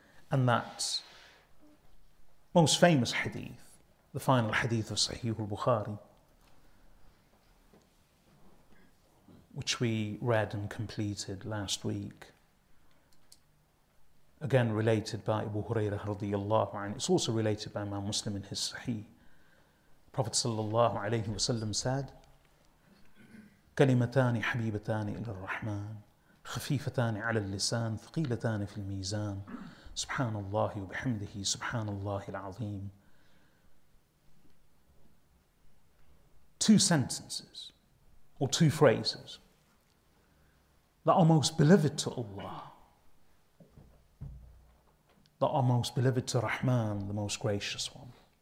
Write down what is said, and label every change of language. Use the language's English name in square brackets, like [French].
[English] And that most famous hadith, the final hadith of Sahih al-Bukhari, which we read and completed last week, again related by Abu Hurairah radiyallahu anhu, it's also related by Imam Muslim in his Sahih. Prophet sallallahu alayhi wa sallam said, [Arabic] كَلِمَتَانِ حَبِيبَتَانِ إِلَى الرَّحْمَانِ خَفِيفَتَانِ عَلَى اللِّسَانِ ثَقِيلَتَانِ فِي الْمِيزَانِ سُبْحَانَ اللَّهِ وَبِحَمْدِهِ سُبْحَانَ اللَّهِ الْعَظِيمِ. [English] Two sentences, or two phrases, that are most beloved to Allah, that are most beloved to Rahman, the most gracious one.